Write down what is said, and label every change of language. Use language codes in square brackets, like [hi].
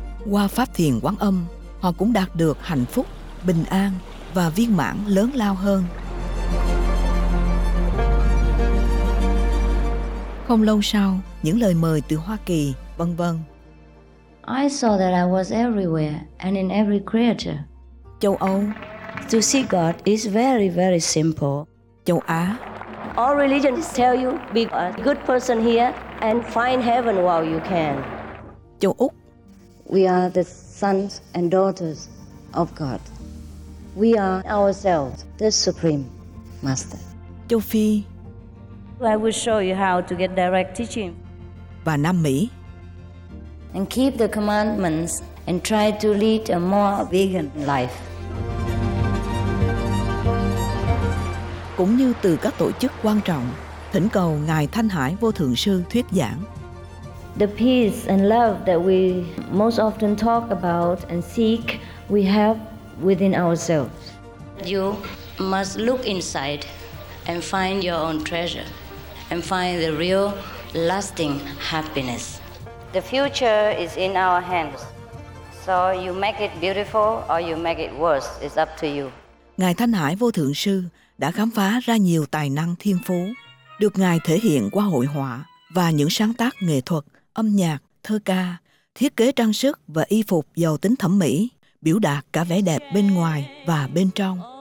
[vi] Qua pháp thiền Quán Âm, họ cũng đạt được hạnh phúc, bình an và viên mãn lớn lao hơn. Không lâu sau, những lời mời từ Hoa Kỳ, vân vân. [en] I saw that I was everywhere and in every creature. [vi] Châu Âu, [en] To see God is very, very simple. [vi] Châu Á. [en] All religions tell you be a good person here and find heaven while you can. [vi] Châu Úc. [en] We are the sons and daughters of God. We are ourselves the Supreme Master. Châu Phi. I will show you how to get direct teaching. [vi] Và Nam Mỹ. [en] And keep the commandments and try to lead a more vegan life. [vi] Cũng như từ các tổ chức quan trọng, thỉnh cầu Ngài Thanh Hải Vô Thượng Sư thuyết giảng. [en] The peace and love that we most often talk about and seek, we have within ourselves. You must look inside and find your own treasure and find the real lasting happiness. The future is in our hands. So you make it beautiful or you make it worse, it's up to you. [vi] Ngài Thanh Hải Vô Thượng Sư đã khám phá ra nhiều tài năng thiên phú, được Ngài thể hiện qua hội họa và những sáng tác nghệ thuật, âm nhạc, thơ ca, thiết kế trang sức và y phục giàu tính thẩm mỹ, biểu đạt cả vẻ đẹp bên ngoài và bên trong.